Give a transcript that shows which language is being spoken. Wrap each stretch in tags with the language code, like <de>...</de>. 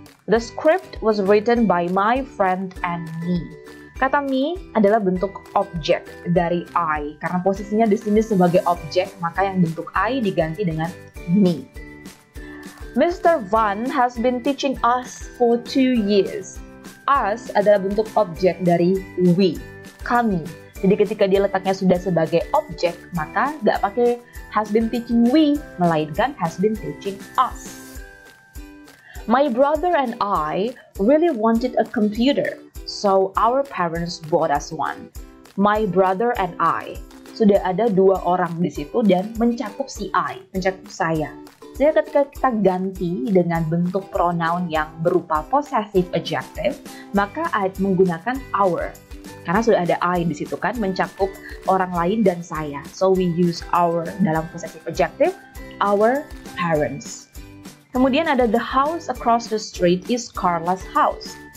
<en>The script was written by my friend and me.</en> <id>Kata me adalah bentuk objek dari I. Karena posisinya di sini sebagai objek, maka yang bentuk I diganti dengan me. Mr.</id> <en>Van has been teaching us for 2 years.</en> <id>Us adalah bentuk objek dari we, kami. Jadi ketika dia letaknya sudah sebagai objek, maka nggak pakai</id> <en>has been teaching we,</en> <id>melainkan</id> <en>has been teaching us. My brother and I really wanted a computer, so our parents bought us one. My brother and I.</en> <id>Sudah ada dua orang di situ dan mencakup si I, mencakup saya. Jadi ketika kita ganti dengan bentuk pronoun yang berupa possessive adjective, maka menggunakan our. Karena sudah ada I di situ kan, mencakup orang lain dan saya.</id> <en>So we use our dalam possessive adjective, our parents.</en> <id>Kemudian ada</id> <en>the house across the street is Carla's house.</en>